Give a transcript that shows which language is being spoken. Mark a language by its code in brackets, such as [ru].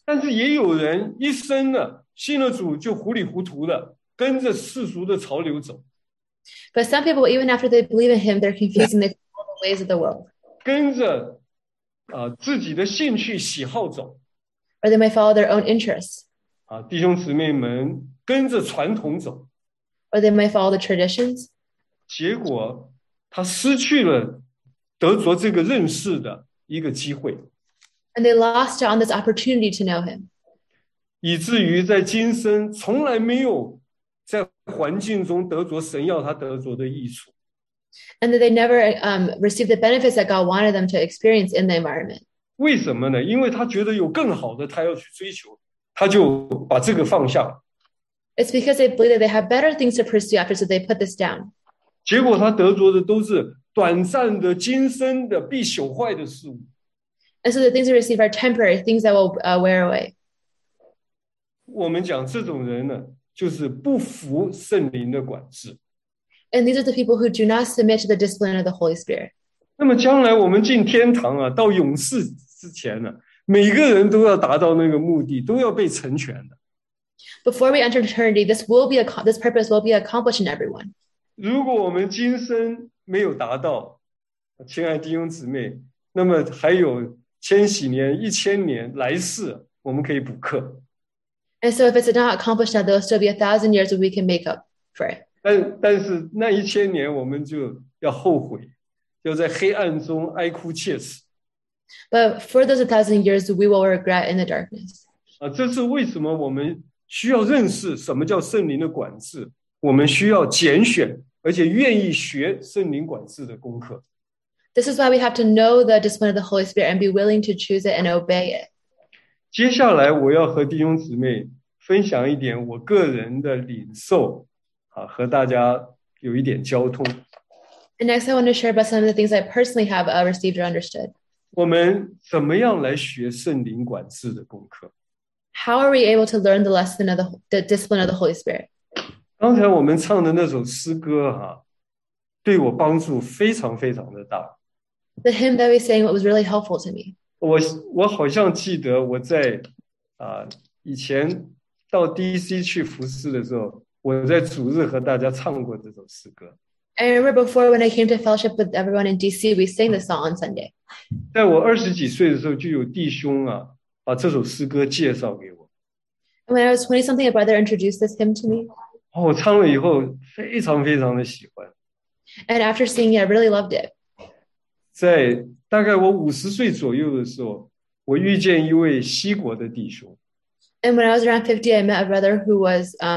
[zh] 但是也有人一生呢，信了主就糊里糊涂的，跟着世俗的潮流走。 [en] But some people, even after they believe in Him, they're confused and they follow the ways of the world. [zh] 跟着自己的兴趣喜好走。 [en] Or they might follow their own interests. [zh] 弟兄姊妹们，跟着传统走。 [en] Or they might follow the traditions. [zh] 结果他失去了得着这个认识的一个机会。 [en] And they lost on this opportunity to know Him. [zh] 以至于在今生从来没有在环境中得着神要他得着的益处。 [en] And that they never received the benefits that God wanted them to experience in the environment. [zh] 为什么呢？因为他觉得有更好的他要去追求，他就把这个放下。 [en] It's because they believe that they have better things to pursue after, so they put this down. [zh] 结果他得着的都是短暂的、今生的、必朽坏的事物。 [en] And so the things they receive are temporary, things that will wear away. [zh] 我们讲这种人呢，就是不服圣灵的管制。 [en] And these are the people who do not submit to the discipline of the Holy Spirit. [zh] 那么将来我们进天堂啊，到永世之前呢，每个人都要达到那个目的，都要被成全的。 [en] Before we enter eternity, this purpose will be accomplished in everyone. [zh] 如果我们今生没有达到，亲爱弟兄姊妹，那么还有千禧年、一千年、来世，我们可以补课。 [en] And so if it's not accomplished, there will still be 1,000 years that we can make up for it. [zh] 但是那一千年我们就要后悔，要在黑暗中哀哭切齿。 [en] But for those 1,000 years, we will regret in the darkness. [zh] 这是为什么我们需要认识什么叫圣灵的管制，我们需要拣选，而且愿意学圣灵管制的功课。 [en] This is why we have to know the discipline of the Holy Spirit and be willing to choose it and obey it. [zh] 接下来我要和弟兄姊妹分享一点我个人的领受，和大家有一点交通。 [en] And next, I want to share about some of the things I personally have received or understood. [zh] 我们怎么样来学圣灵管制的功课？ [en] How are we able to learn the lesson of the discipline of the Holy Spirit? [zh] 刚才我们唱的那首诗歌，对我帮助非常非常的大。 [en] The hymn that we sang was really helpful to me. [zh] 我好像记得我在以前到 DC 去服侍的时候，我在主日和大家唱过这首诗歌。 [en] I remember before when I came to fellowship with everyone in DC, we sang the song on Sunday. [zh] 在我二十几岁的时候，就有弟兄把这首诗歌介绍给我。 [en] When I was 20-something, a brother introduced this hymn to me. [zh] 我唱了以后非常非常的喜欢。 [en] And after singing it, I really loved it. [zh] 在大概我五十岁左右的时候，我遇见一位西国的弟兄。 [en] And when I was around 50, I met a brother who was